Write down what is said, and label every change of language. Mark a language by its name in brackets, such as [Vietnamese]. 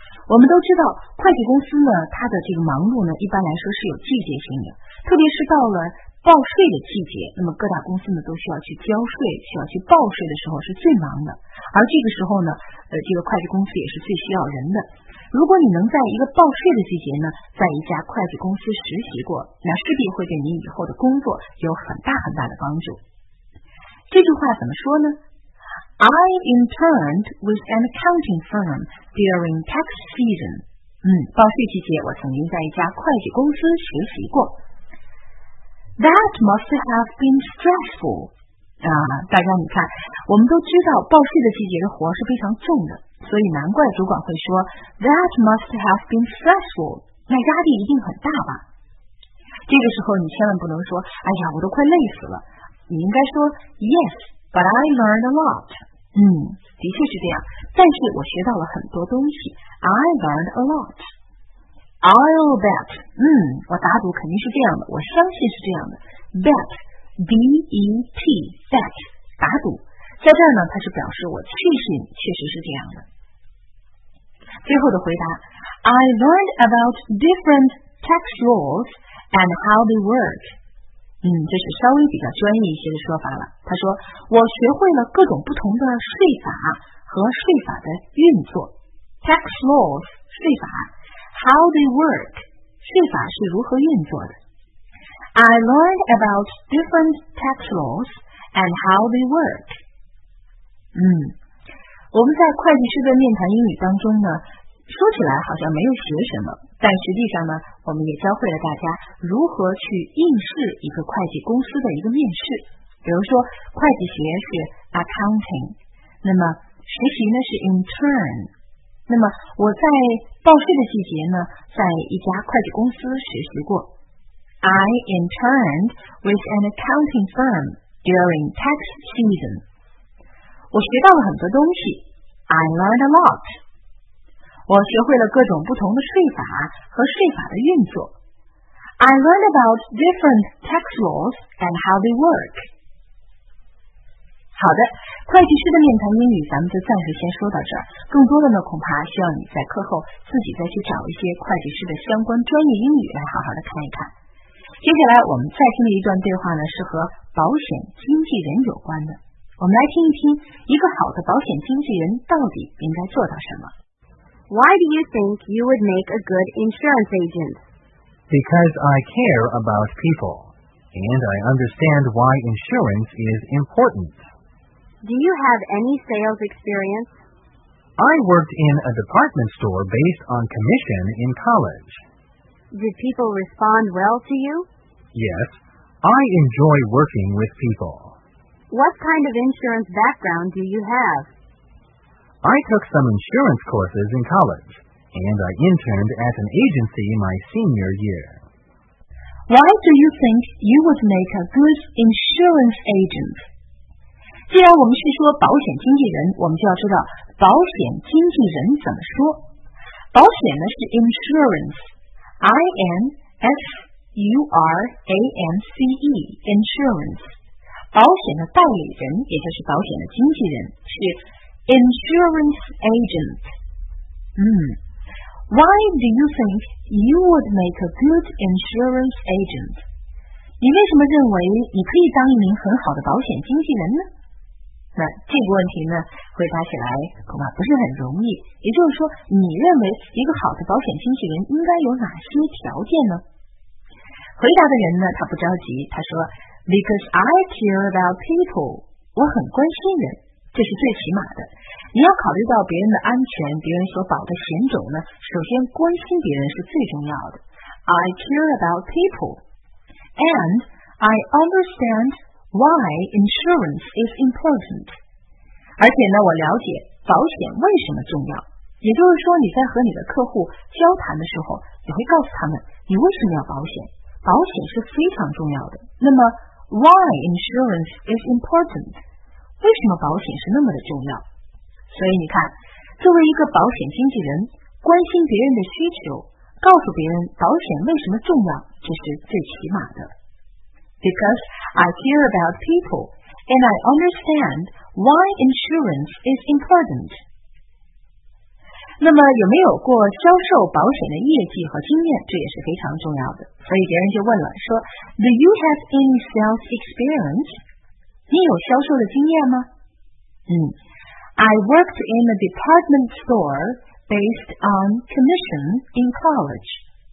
[Chinese] 我们都知道会计公司呢它的这个忙碌呢一般来说是有季节性的，特别是到了报税的季节，那么各大公司呢都需要去交税，需要去报税的时候是最忙的，而这个时候呢这个会计公司也是最需要人的。如果你能在一个报税的季节呢在一家会计公司实习过，那势必会对你以后的工作有很大很大的帮助。这句话怎么说呢？ [English] I interned with an accounting firm during tax season. [Chinese] 报税季节我曾经在一家会计公司实习过。 [English] That must have been stressful. [Chinese] 大家你看，我们都知道报税的季节的活是非常重的，所以难怪主管会说 [English] That must have been stressful. [Chinese] 那压力一定很大吧。这个时候你千万不能说哎呀我都快累死了。你应该说 [English] Yes, but I learned a lot. [Chinese] 的确是这样，但是我学到了很多东西。 [English] I learned a lot. I'll bet. [Chinese] 我打赌肯定是这样的，我相信是这样的。 [English] Bet, B-E-T, bet, [Chinese] 打赌。在这儿呢，它是表示我确信确实是这样的。最后的回答 [English] ,I learned about different tax laws and how they work. [Chinese] 这是稍微比较专业一些的说法了。他说我学会了各种不同的税法和税法的运作。 [English] Tax laws, [Chinese] 税法。 [English] How they work, [Chinese] 税法是如何运作的。 [English] I learned about different tax laws and how they work. [Chinese] 我们在会计师的面谈英语当中呢说起来好像没有学什么，但实际上呢我们也教会了大家如何去应试一个会计公司的一个面试。比如说会计学是 accounting, 那么实习呢是 intern, 那么我在报税的季节呢在一家会计公司实习过。 [English] I interned with an accounting firm during tax season. [Chinese] 我学到了很多东西。 [English] I learned a lot. [Chinese] 我学会了各种不同的税法和税法的运作。 [English] I learned about different tax laws and how they work. [Chinese] 好的，会计师的面谈英语咱们就暂时先说到这儿。更多的呢，恐怕需要你在课后自己再去找一些会计师的相关专业英语来好好的看一看。接下来我们再听的一段对话呢，是和保险经纪人有关的。我们来听一听，一个好的保险经纪人到底应该做到什么。 [English] Why do you think you would make a good insurance agent? Because I care about people, and I understand why insurance is important. Do you have any sales experience? I worked in a department store based on commission in college. Did people respond well to you? Yes, I enjoy working with people. What kind of insurance background do you have? I took some insurance courses in college, and I interned at an agency my senior year. Why do you think you would make a good insurance agent? [Chinese] 既然我们是说保险经纪人，我们就要知道保险经纪人怎么说。保险呢是 [English] insurance, I-N-S-U-R-A-N-C-E, insurance. [Chinese] 保险的代理人，也就是保险的经纪人，是 [English] Insurance agent. Why do you think you would make a good insurance agent? [Chinese] 你为什么认为你可以当一名很好的保险经纪人呢？那这个问题呢，回答起来恐怕不是很容易。也就是说，你认为一个好的保险经纪人应该有哪些条件呢？回答的人呢，他不着急，他说 ， [English] Because I care about people. [Chinese] 我很关心人，这是最起码的。你要考虑到别人的安全，别人所保的险种呢，首先关心别人是最重要的。 [English] I care about people, and I understand why insurance is important. [Chinese] 而且呢，我了解保险为什么重要。也就是说，你在和你的客户交谈的时候，你会告诉他们你为什么要保险，保险是非常重要的。那么 [English] why insurance is important, [Chinese] 为什么保险是那么的重要。所以你看，作为一个保险经纪人，关心别人的需求，告诉别人保险为什么重要，这是最起码的。 [English] Because I care about people and I understand why insurance is important。 [Chinese] 那么有没有过销售保险的业绩和经验，这也是非常重要的。所以别人就问了，说 [English] Do you have any sales experience? [Chinese] 你有销售的经验吗？ [English] I worked in a department store based on commission in college.